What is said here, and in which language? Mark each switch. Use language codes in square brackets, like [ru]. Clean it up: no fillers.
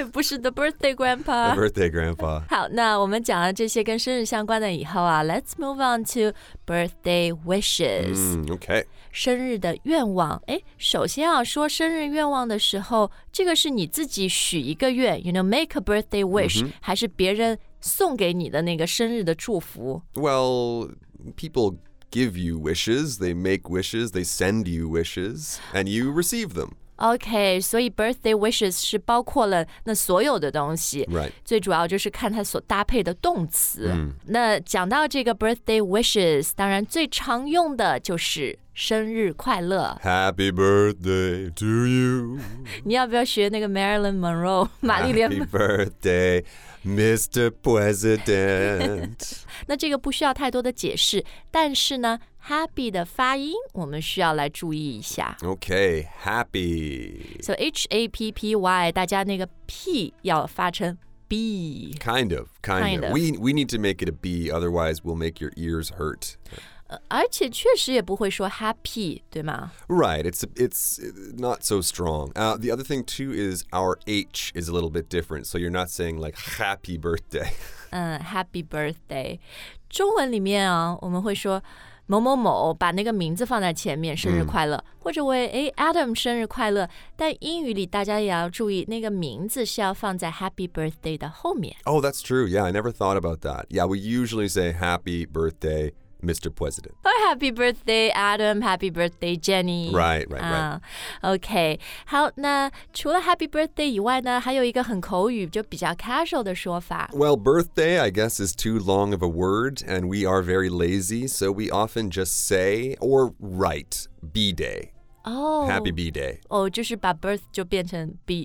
[zh] 不是 [en] the birthday grandpa. The birthday grandpa. [zh] 好，那我们讲了这些跟生日相关的以后啊， [en] let's move on to birthday wishes. Okay. [zh] 生日的愿望，首先要说生日愿望的时候，这个是你自己许一个愿， [en] you know, make a birthday wish,、 [zh] mm-hmm. 还是别人送给你的那个生日的祝福。 [en] Well, people give you wishes, they make wishes, they send you wishes, and you receive them. [zh] Okay, 所以 birthday wishes 是包括了那所有的东西。 [en] Right. [zh] 最主要就是看它所搭配的动词。 Mm. 那讲到这个 birthday wishes, 当然最常用的就是生日快乐。 [en] Happy birthday to you. [zh] 你要不要学那个 Marilyn Monroe, 玛丽莲 [en] Happy birthday. Mr. President. [zh] 那这个不需要太多的解释，但是呢 ，happy 的发音我们需要来注意一下。 [en] Okay, happy. [zh] So happy, 大家那个 p 要发成 b. [en] Kind of. We need to make it a b, otherwise we'll make your ears hurt. [zh] 而且确实也不会说 happy, 对吗 [en] ？Right, it's not so strong. The other thing too is our H is a little bit different, so you're not saying like happy birthday. Happy birthday. [zh] 中文里面啊，我们会说某某某，把那个名字放在前面，生日快乐， mm. 或者为Adam 生日快乐。但英语里大家也要注意，那个名字是要放在 happy birthday 的后面。 [en] Oh, that's true. Yeah, I never thought about that. Yeah, we usually say happy birthday. Mr. President. Or happy birthday, Adam. Happy birthday, Jenny. Right. Okay. [zh] 好，那除了 happy birthday 以外呢，还有一个很口语，就比较 casual 的说法。 [en] Well, birthday, I guess, is too long of a word, and we are very lazy, so we often just say or write B-day. Oh. Happy B-day. [zh] Oh, 就是把 birth 就变成 B.